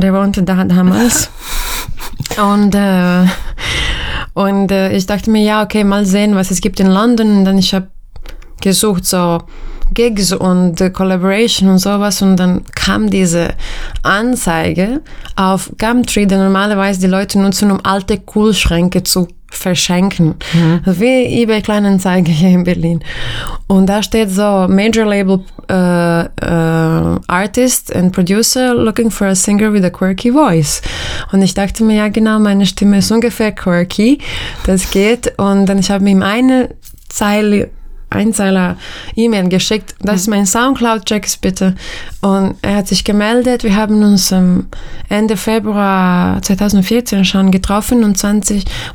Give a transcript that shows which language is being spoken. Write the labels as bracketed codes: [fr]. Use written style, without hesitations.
[de] Der wohnte da damals. Und ich dachte mir, ja, okay, mal sehen, was es gibt in London. Und dann ich habe gesucht, so Gigs und Collaboration und sowas. Und dann kam diese Anzeige auf Gumtree, die normalerweise die Leute nutzen, um alte Kühlschränke zu verschenken. Mhm. Wie eBay Kleinanzeige hier in Berlin. Und da steht so, [en] Major Label Artist and Producer looking for a singer with a quirky voice. [de] Und ich dachte mir, ja genau, meine Stimme ist ungefähr quirky. Das geht. Und dann habe ich ihm einen Zeiler E-Mail geschickt. Das ist mein Soundcloud, check es bitte. Und er hat sich gemeldet. Wir haben uns Ende Februar 2014 schon getroffen. Und am 20.